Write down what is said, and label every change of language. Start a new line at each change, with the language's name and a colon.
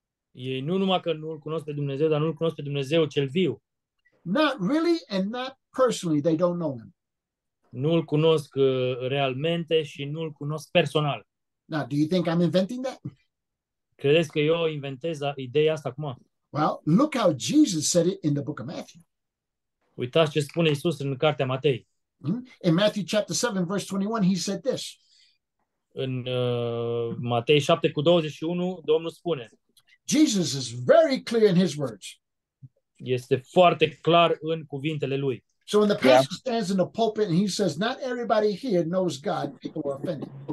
Romanian: Ei nu numai că nu-L cunosc pe Dumnezeu, dar nu-L cunosc pe Dumnezeu cel viu.
English: Not really and not personally, they don't know him.
Romanian: Nu-L cunosc realmente și nu-L cunosc personal.
English: Now, do you think I'm inventing that?
Romanian: Credeți că eu inventez ideea asta acum?
English: Well, look how Jesus said it in the book of Matthew.
Romanian: Uitați ce spune Iisus în cartea Matei.
English: In Matthew chapter 7, verse 21, he said this.
Romanian: În Matei 7, cu 21, Domnul spune.
English: Jesus is very clear in his words.
Romanian: Este foarte clar în cuvintele lui.
English: So when the pastor stands in the pulpit and he says, not everybody here knows God, people are offended.